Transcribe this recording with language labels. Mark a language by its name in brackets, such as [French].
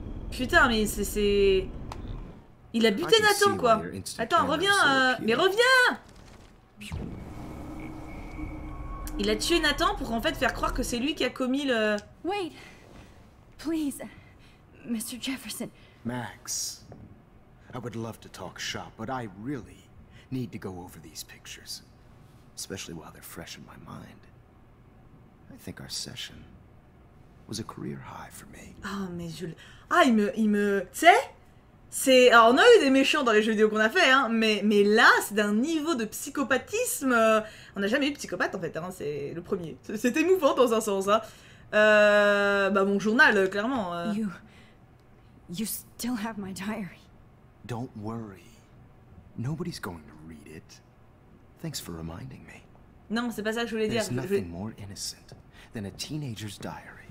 [French] Putain, mais c'est... Il a buté Nathan, quoi. Attends, reviens Mais reviens! Il a tué Nathan pour en fait faire croire que c'est lui qui a commis le... [English] Wait, please. Mr. Jefferson. Max, I would love to talk shop, but I really need to go over these pictures. Especially while they're fresh in my mind. I think our session was a career high for me. [French] Ah, oh, mais Jules. Ah, il me... Tu sais, c'est... Alors, on a eu des méchants dans les jeux vidéo qu'on a fait, hein. Mais là, c'est d'un niveau de psychopathisme. On n'a jamais eu de psychopathe, en fait, hein. C'est le premier. C'est émouvant, dans un sens, hein. Bah, mon journal, clairement. [English] You still have my diary. Don't worry. Nobody's going to read it. Thanks for reminding me. [French] Non, c'est pas ça que je voulais dire. [English] There's nothing more innocent than a teenager's diary.